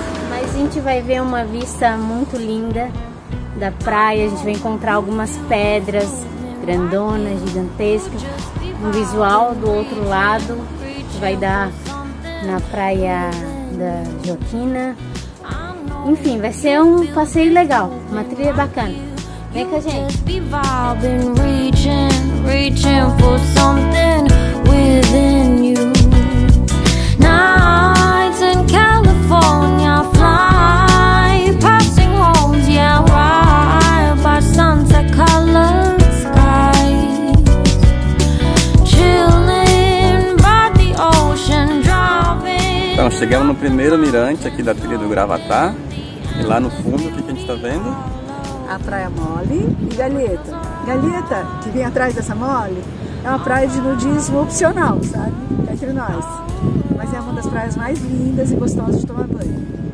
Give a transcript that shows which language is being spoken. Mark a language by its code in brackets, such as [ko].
[pt] Mas a gente vai ver uma vista muito linda da praia. A gente vai encontrar algumas pedras grandonas, gigantescas. Um visual do outro lado, que vai dar na praia da Joaquina. Enfim, vai ser um passeio legal, uma trilha bacana. Vem com a gente. [en] Just be vibing, reaching for something within you. Nights in California fly, passing homes, yeah, why? By sunset colored skies, chilling by the ocean, driving. [pt] Então, chegamos no primeiro mirante aqui da trilha do Gravatá. E lá no fundo, o que a gente está vendo? A Praia Mole e Galheta. Galheta, que vem atrás dessa mole, é uma praia de nudismo opcional, sabe? Entre nós. Mas é uma das praias mais lindas e gostosas de tomar banho.